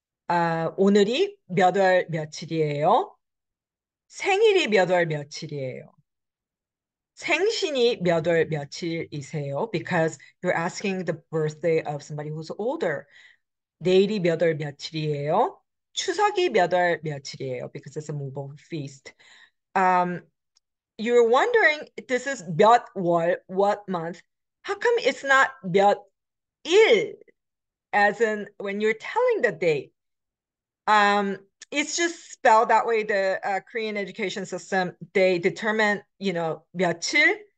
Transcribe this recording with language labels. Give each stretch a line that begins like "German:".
Korean: 오늘이 몇월 며칠이에요? 생일이 몇월 며칠이에요? 생신이 몇월 며칠이세요?
English: Because you're asking the birthday of somebody who's older.
Korean: 내일이 몇월 며칠이에요? 추석이 몇월 며칠이에요?
English: Because it's a mobile feast. You're wondering, this is
Korean: 몇 월,
English: what month? How come it's not
Korean: 몇 일?
English: As in when you're telling the date. It's just spelled that way. The Korean education system, they determine, you know, 며칠.